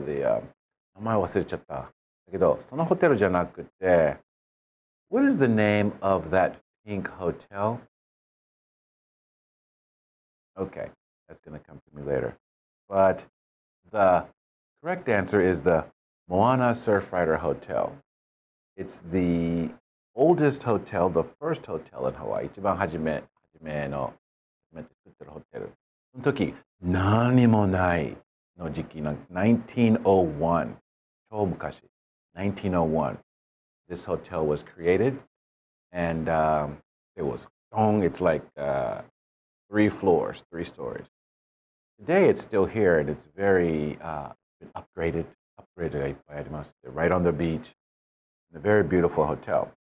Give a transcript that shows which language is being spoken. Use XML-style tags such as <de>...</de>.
<en>The</en> <ja>名前忘れちゃった。だけど、そのホテルじゃなくて、</ja> <en>What is the name of that Pink Hotel? Okay, that's going to come to me later. But the correct answer is the Moana Surfrider Hotel. It's the oldest hotel, the first hotel in Hawaii.</en> <ja>一番初めの初めて作ってるホテル。その時、何もないの時期の1901。超昔。1901.</ja> <en>This hotel was created, and it was long. It's like three stories. Today, it's still here, and it's very upgraded by Adimas. They're right on the beach, in a very beautiful hotel.</en>